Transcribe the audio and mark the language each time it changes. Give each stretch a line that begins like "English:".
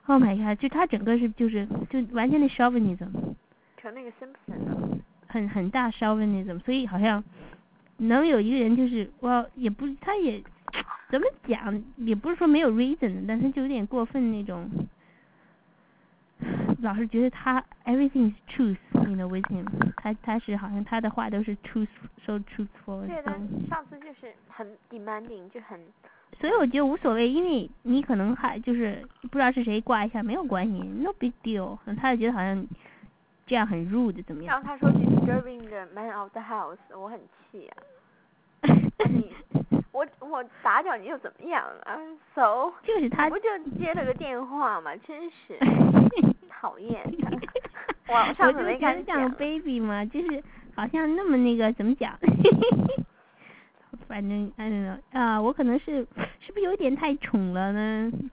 English: Oh my god！
Chinese: 就他整个是就完全的 chauvinism。成那个 Simpson。很大 chauvinism， 所以好像能有一个人就是哇，也不他也怎么讲，也不是说没有 reason， 但是就有点过分那种。老是觉得他
English: everything is truth， you know with him，
Chinese: 他是好像他的话都是 truth，
English: so truthful。
Chinese: 对，他上次就是很 demanding， 就很。所以我觉得无所谓，因为你可能还就是不知道是谁挂一下，没有关系 ，
English: no big deal。
Chinese: 他就觉得好像这样很 rude 怎么样？然后他说
English: disturbing the man of the house，
Chinese: 我很气啊。我打搅你又怎么样啊 ？So 就是他不就接了个电话嘛，真是讨厌他。我上次没敢讲 baby 嘛，就是好像那么那个怎么讲？反正
English: I don't know
Chinese: 啊，我可能是不是有点太宠了呢？